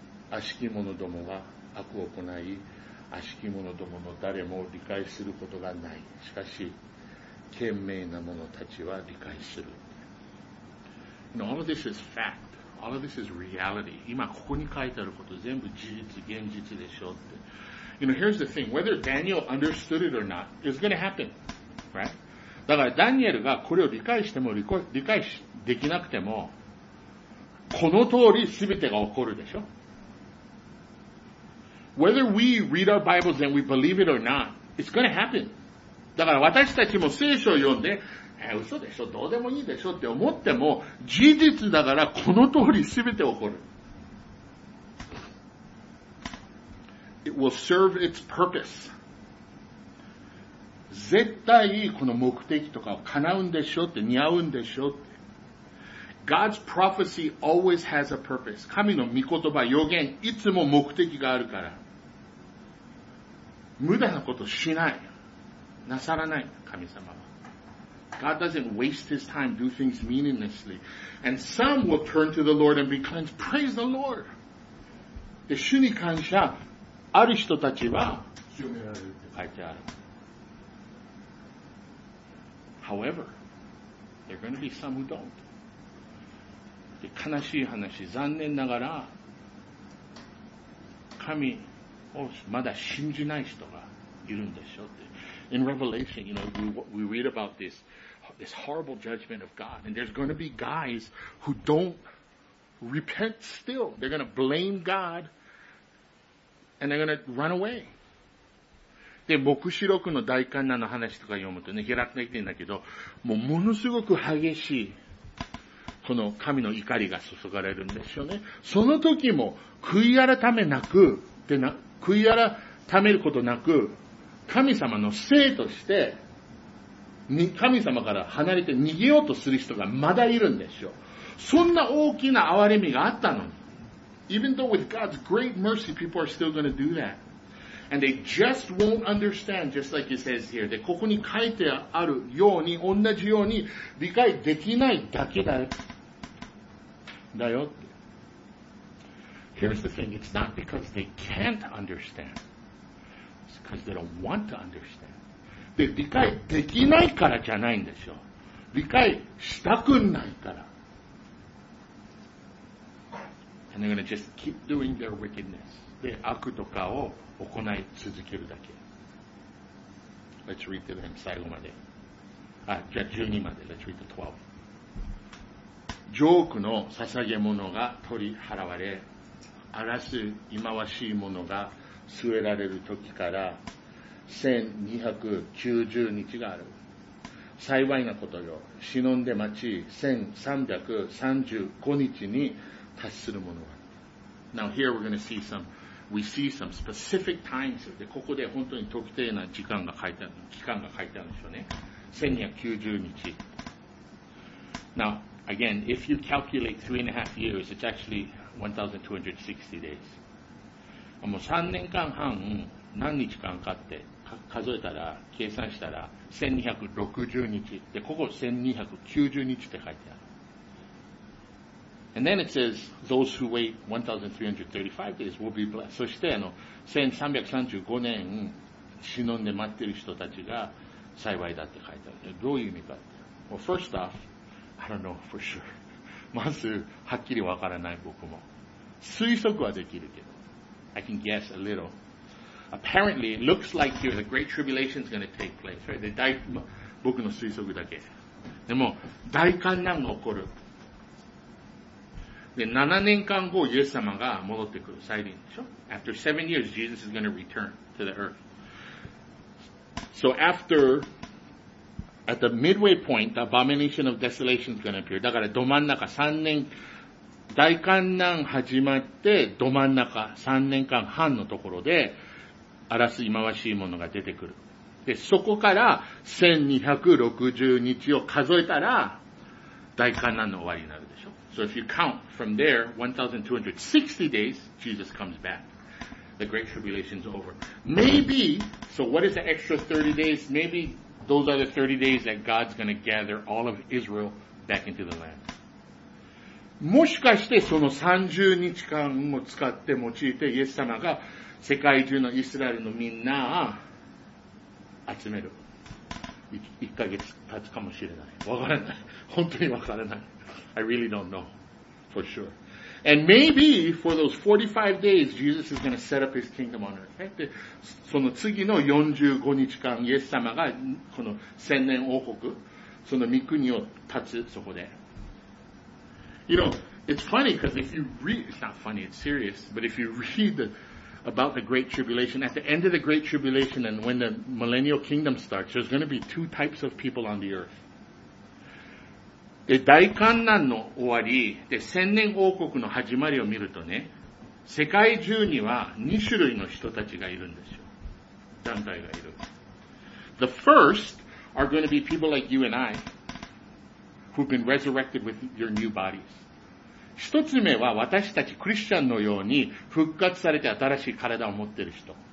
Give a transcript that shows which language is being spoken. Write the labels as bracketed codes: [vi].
[ja] 悪しき者どもは悪を行い、悪しき者どもの誰も理解することがない。しかし、賢明な者たちは理解する。 [en] You know, all of this is fact. All of this is reality. [ja] 今ここに書いてあること全部事実、現実でしょって。 [en] You know, here's the thing. Whether Daniel understood it or not, it's going to happen. Right? [ja] だから、ダニエルがこれを理解しても、理解し、できなくても、この通り全てが起こるでしょ [en] ?Whether we read our Bibles and we believe it or not, it's going to happen. [ja] だから、私たちも聖書を読んで、嘘でしょ、どうでもいいでしょって思っても、事実だから、この通り全て起こる。 [en] It will serve its purpose. [ja] 絶対この目的とかを叶うんでしょって、似合うんでしょって。 [en] God's prophecy always has a purpose. [ja] 神の御言葉、予言、いつも目的があるから。無駄なことしない。なさらない、神様は。 [en] God doesn't waste his time, do things meaninglessly. And some will turn to the Lord and be cleansed. Praise the Lord! [ja] で、主に感謝。ある人たちは清められるって書いてある。 [en] However, there are going to be some who don't. [ja] で、悲しい話、残念ながら、神をまだ信じない人がいるんでしょうって。 [en] In Revelation, you know, we read about this horrible judgment of God, and there's going to be guys who don't repent still. They're going to blame God. And they're gonna run away. [ja] で、黙示録の大患難の話とか読むとね、開かれてるんだけど、もうものすごく激しい、この神の怒りが注がれるんですよね。その時も、悔い改めることなく、神様の聖として、神様から離れて逃げようとする人がまだいるんですよ。そんな大きな憐れみがあったのに。 [en] Even though with God's great mercy, people are still going to do that. And they just won't understand, just like it says here. [ja] で、ここに書いてあるように、同じように理解できないだけだよ。だよって。 [en] Here's the thing. It's not because they can't understand. It's because they don't want to understand. [ja] で、理解できないからじゃないんですよ。理解したくないから。 [en] And they're going to just keep doing their wickedness. [ja] で、悪とかを行い続けるだけ。 [en] Let's read to them [ja] 最後まで。あ、じゃあ12まで。 [en] Let's read to 12. [ja] ジョークの捧げ物が取り払われ、荒らす忌まわしいものが据えられる時から1290日がある。幸いなことよ、忍んで待ち1335日に達するものがある。 [en] Now here we're going to see some, we see some specific times. [ja] で、ここで本当に特定な時間が書いてある、期間が書いてあるんですよね。 1290日。 [en] Now, again, if you calculate 3.5 years, it's actually 1260 days. [ja] もう3年間半、何日間かって数えたら、計算したら、1260日。で、ここ1290日って書いてある。 [en] And then it says, those who wait 1335 days will be blessed. [ja] そして、1335年、忍んで待ってる人たちが幸いだって書いてある。どういう意味かって。 [en] Well, first off, I don't know for sure. [ja] まず、はっきりわからない僕も。推測はできるけど。 [en] I can guess a little. Apparently, it looks like here the Great Tribulation is going to take place, right? [ja] 僕の推測だけ。でも、大患難が起こる。で、7年間後、イエス様が戻ってくる。再臨でしょ [en] ?After 7 years, Jesus is going to return to the earth. So after, at the midway point, the abomination of desolation is going to appear. [ja] だから、ど真ん中3年、大患難始まって、ど真ん中3年間半のところで、荒らす忌まわしいものが出てくる。で、そこから1260日を数えたら大患難の終わりになるでしょ。 [en] So if you count from there, 1260 days, Jesus comes back. The Great Tribulation is over. Maybe, so what is the extra 30 days? Maybe those are the 30 days that God's going to gather all of Israel back into the land. [ja] もしかしてその30日間を使って用いてイエス様が世界中のイスラエルのみんな集める。一ヶ月経つかもしれない。わからない。本当にわからない。 [en] I really don't know for sure. And maybe for those 45 days, Jesus is going to set up his kingdom on earth. [ja] で、その次の45日間、イエス様がこの千年王国、その御国を立つそこで。 [en] You know, it's funny because if you read, it's not funny, it's serious, but if you read theabout the Great Tribulation. At the end of the Great Tribulation and when the Millennial Kingdom starts, there's going to be two types of people on the earth. [ja] で、大患難の終わり、で、千年王国の始まりを見るとね、世界中には2種類の人たちがいるんですよ。団体がいる。 [en] The first are going to be people like you and I, who've been resurrected with your new bodies. [ja] 一つ目は私たちクリスチャンのように復活されて新しい体を持っている人。